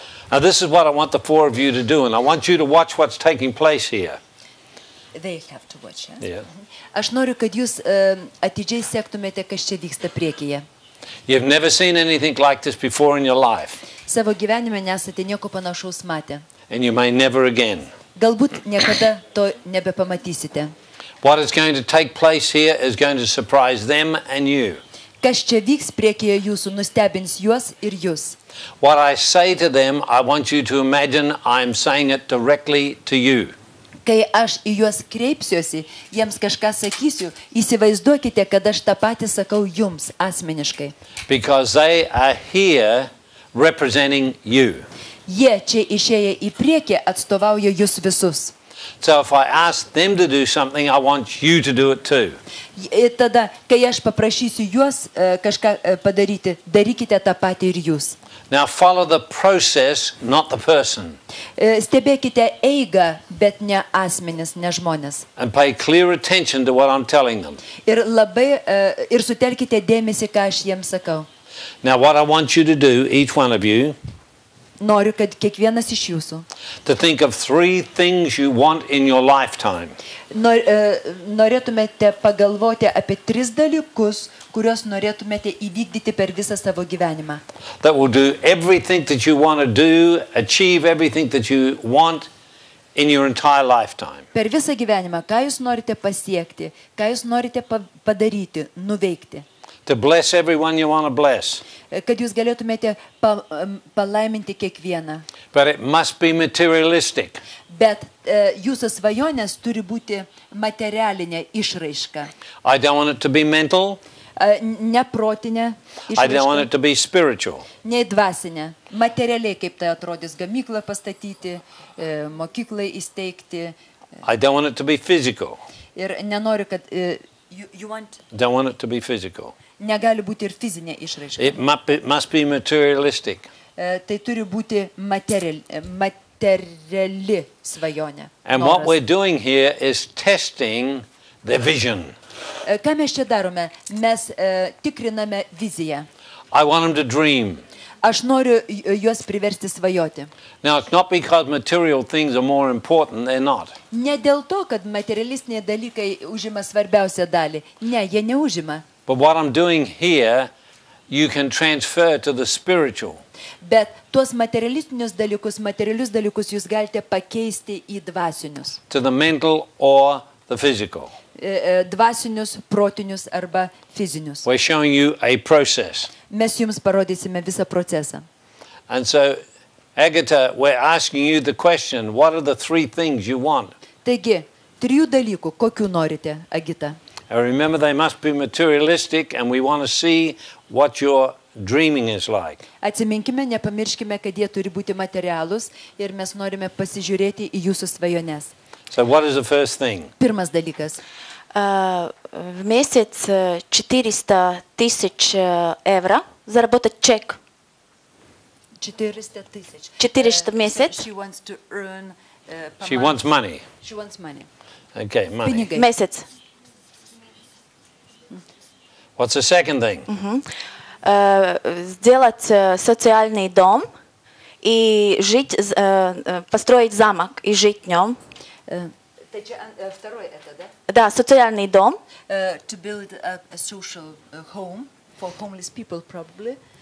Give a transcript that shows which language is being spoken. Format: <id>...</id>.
<en>Now this is what I want the four of you to do and I want you to watch what's taking place here. They have to watch. Yes? Yeah.</en> <lt>Aš noriu, kad jūs atidžiai sektumėte, kas čia vyksta priekyje.</lt> <en>You've never seen anything like this before in your life.</en> <lt>Savo gyvenime nesate nieko panašaus matę.</lt> <en>And you may never again.</en> <lt>Galbūt niekada to nebepamatysite.</lt> <en>What is going to take place here is going to surprise them and you.</en> <lt>Kas čia vyks priekyje jūsų, nustebins juos ir jūs.</lt> <en>What I say to them, I want you to imagine I'm saying it directly to you.</en> <lt>Kai aš į juos kreipsiuosi, jiems kažką sakysiu, įsivaizduokite, kad aš tą patį sakau jums asmeniškai.</lt> <en>Because they are here representing you.</en> <lt>Jie čia išėję į priekį atstovauja jūs visus.</lt> <en>So if I ask them to do something, I want you to do it too.</en> <lt>Tada, kai aš paprašysiu juos kažką padaryti, darykite tą patį ir jūs.</lt> <en>Now follow the process, not the person.</en> <lt>Stebėkite eigą, bet ne asmenis, ne žmonės.</lt> <en>And pay clear attention to what I'm telling them.</en> <lt>Ir labai ir sutelkite dėmesį, ką aš jiems sakau.</lt> <en>Now what I want you to do, each one of you,</en> <lt>noriu, kad kiekvienas iš jūsų.</lt> <en>To think of three things you want in your lifetime.</en> <lt>Norėtumėte pagalvoti apie tris dalykus, kuriuos norėtumėte įvykdyti per visą savo gyvenimą.</lt> <en>That will do everything that you want to do, achieve everything that you want in your entire lifetime.</en> <lt>Per visą gyvenimą, ką jūs norite pasiekti, ką jūs norite padaryti, nuveikti.</lt> <en>To bless everyone you want to bless.</en> <lt>Kad jūs galėtumėte palaiminti kiekvieną.</lt> <en>But it must be materialistic.</en> <lt>Bet jūsų svajonės turi būti materialinė išraiška.</lt> <en>I don't want it to be mental.</en> <lt>Neprotinė išraiška.</lt> <en>I don't want it to be spiritual.</en> <lt>Ne dvasinė. Materialiai, kaip tai atrodys, gamyklą pastatyti, mokyklą įsteigti.</lt> <en>I don't want it to be physical.</en> <lt>Ir nenoriu, kad</lt> <en>don't want it to be physical.</en> <lt>Negali būti ir fizinė išraiška.</lt> <en>It must be materialistic.</en> <lt>Tai turi būti materiali svajonė. And noras.</lt> <en>What we're doing here is testing their vision.</en> <lt>Ką mes čia darome? Mes tikriname viziją.</lt> <en>I want them to dream.</en> <lt>Aš noriu juos priversti svajoti.</lt> <en>Now, it's not because material things are more important, they're not.</en> <lt>Ne dėl to, kad materialistiniai dalykai užima svarbiausią dalį. Ne, jie neužima.</lt> <en>But what I'm doing here, you can transfer to the spiritual.</en> <lt>Bet tuos materialistinius dalykus, materialius dalykus jūs galite pakeisti į dvasinius.</lt> <en>To the mental or the physical.</en> <lt>Dvasinius, protinius arba fizinius.</lt> <en>We're showing you a process.</en> <lt>Mes jums parodysime visą procesą.</lt> <en>And so, Agata, we're asking you the question, what are the three things you want?</en> <lt>Taigi, trijų dalykų, kokių norite, Agita?</lt> <en>I remember they must be materialistic and we want to see what your dreaming is like.</en> <lt>Atsiminkime, nepamirškime, kad jie turi būti materialūs ir mes norime pasižiūrėti į jūsų svajones.</lt> <en>So what is the first thing?</en> <lt>Pirmas dalykas.</lt> <ru>В месяц 400 тысяч евро заработать чек. 400 тысяч. 400 в месяц.</ru> <en>She wants to earn She wants money. She wants money. Okay, money.</en> <ru>В месяц.</ru> <en>What's the second thing?</en> <ru>Сделать социальный дом и жить построить замок и жить в нём. Второй, да? Да, социальный дом.</ru> <en>To build a social home for homeless people, probably.</en>